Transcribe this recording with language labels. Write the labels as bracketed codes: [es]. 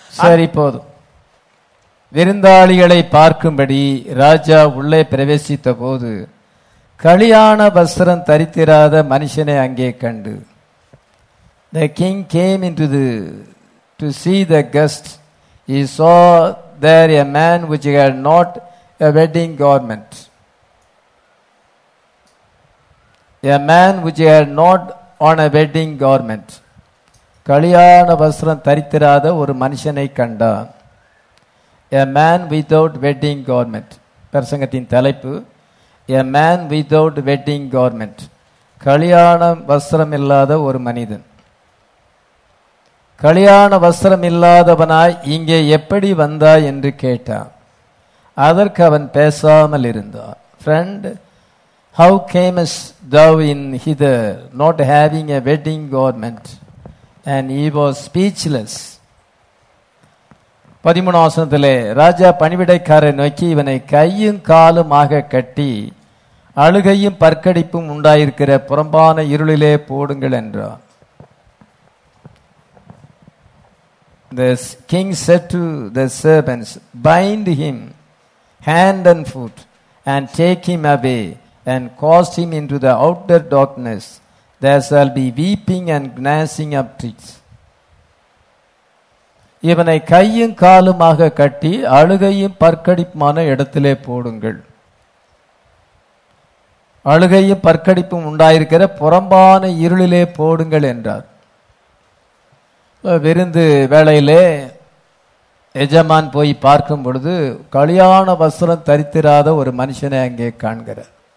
[ta] சரி போதும். விருந்தாளிகளை பார்க்கும்படி ராஜா உள்ளே பிரவேசித்த போது கல்யாண வஸ்திரம் தரித்திராத மனுஷனை அங்கே கண்டு, [en] The king came into the to see the guest. He saw there a man which had not a wedding garment. A man which had not on a wedding garment. [ta] Kalyana vasram tharithirada oru manushanai kanda. [en] A man without wedding garment. [ta] Prasangathin thalaippu. [en] A man without wedding garment. [ta] Kalyana vasram illada oru manidhan. கல்யாண வஸ்திரம் இல்லாதவனாய் இங்கே எப்படி வந்தாய் என்று கேட்டான். அதற்கு அவன் பேசாமல் இருந்தான். [en] Friend, how camest thou in hither not having a wedding garment? And he was speechless. [ta] 13-ஆம் வசனத்திலே ராஜா பணிவிடைக்காரரை நோக்கி, இவனை கையும் காலுமாக கட்டி அழுகையும் பற்கடிப்பும் உண்டாயிருக்கிற புறம்பான இருளிலே போடுங்கள் என்றான். [en] The king said to the servants, bind him hand and foot and take him away and cast him into the outer darkness. There shall be weeping and gnashing of teeth. [ta] இவனை கையும் காலுமாக கட்டி அழுகையும் பற்கடிப்புமான இடத்திலே போடுங்கள். அழுகையும் பற்கடிப்பும் உண்டாயிருக்கிற புறம்பான இருளிலே போடுங்கள் என்றார். விருந்து வேளையிலே எஜமான் போய் பார்க்கும் பொழுது கல்யாண வஸ்திரம் தரித்திராத ஒரு மனுஷனை அங்கே காண்கிறார்.